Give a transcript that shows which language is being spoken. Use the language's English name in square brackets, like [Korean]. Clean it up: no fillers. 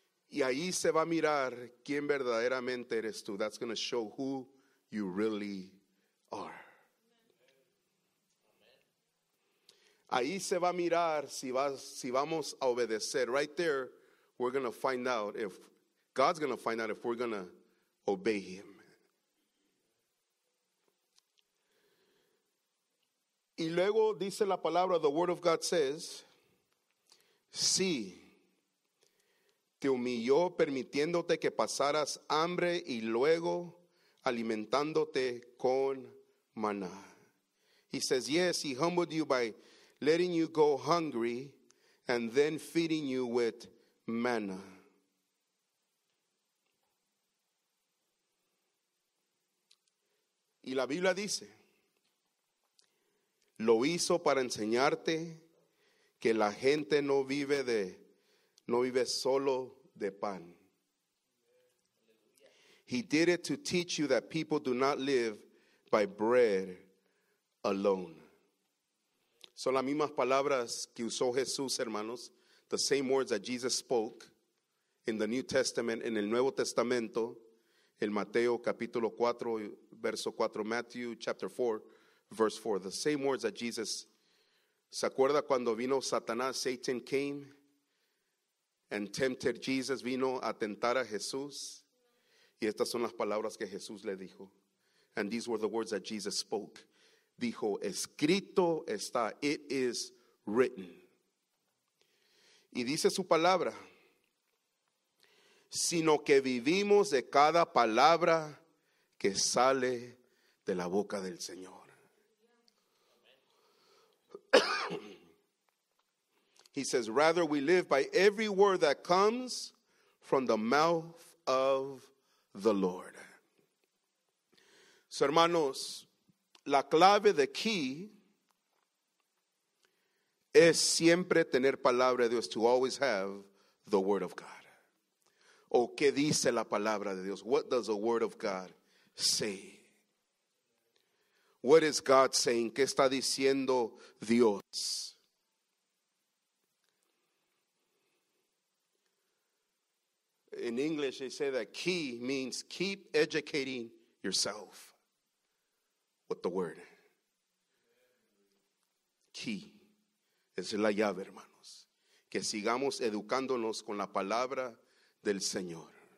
[Spanish] Y ahí se va a mirar quién verdaderamente eres tú. [English] That's going to show who you really are. [Spanish] Ahí se va a mirar si vamos a obedecer. [English] Right there, we're going to find out if, God's going to find out if we're going to obey him. [Spanish] Y luego dice la palabra, [English] the word of God says, [Spanish] si te humilló permitiéndote que pasaras hambre y luego alimentándote con maná. [English] He says, yes, he humbled you by letting you go hungry and then feeding you with manna. [Spanish] Y la Biblia dice, lo hizo para enseñarte que la gente no vive solo de pan. [English] He did it to teach you that people do not live by bread alone. [Spanish] Son las mismas palabras que usó Jesús, hermanos, [English] the same words that Jesus spoke in the New Testament, [Spanish] en el Nuevo Testamento, en Mateo capítulo 4, verso 4, [English] Matthew chapter 4, verse 4. The same words that Jesus, [Spanish] ¿se acuerda cuando vino Satanás, [English] Satan came and tempted Jesus, [Spanish] vino a tentar a Jesús? Y estas son las palabras que Jesús le dijo. [English] And these were the words that Jesus spoke. [Spanish] Dijo, escrito está, [English] it is written. [Spanish] Y dice su palabra, sino que vivimos de cada palabra que sale de la boca del Señor. [English] He says, rather we live by every word that comes from the mouth of the Lord. [Spanish] So, hermanos, la clave, [English] the key, [Spanish] es siempre tener palabra de Dios, [English] to always have the word of God. [Spanish] O qué dice la palabra de Dios? [English] What does the word of God say? What is God saying? [Spanish] ¿Qué está diciendo Dios? [English] In English, they say that key means keep educating yourself with the word. [Spanish] Key. Esa es la llave, hermanos. Que sigamos educándonos con la palabra del Señor.